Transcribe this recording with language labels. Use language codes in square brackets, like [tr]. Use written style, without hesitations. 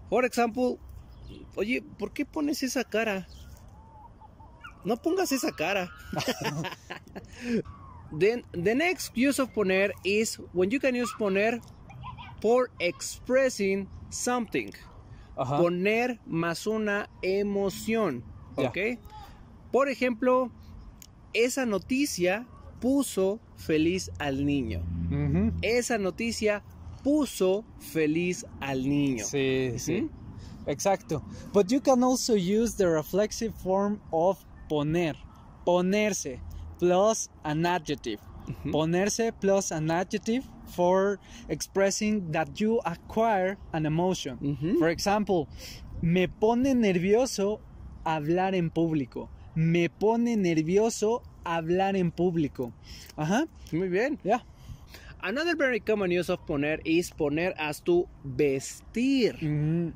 [en] For example, [es] oye, ¿por qué pones esa cara? No pongas esa cara. [en] Then the next use of poner is when you can use poner for expressing something. Uh-huh. [es] Poner más una emoción. Okay? Yeah. Por ejemplo, esa noticia puso feliz al niño. Mm-hmm. Esa noticia puso feliz al niño. Sí, sí. Exacto. [en] But you can also use the reflexive form of poner. Ponerse. Plus an adjective. Mm-hmm. Ponerse plus an adjective for expressing that you acquire an emotion. Mm-hmm. For example, [es] me pone nervioso hablar en público. Me pone nervioso hablar en público. Ajá. Uh-huh. Muy bien. Yeah. [en] Another very common use of poner is poner as to vestir. Mm-hmm.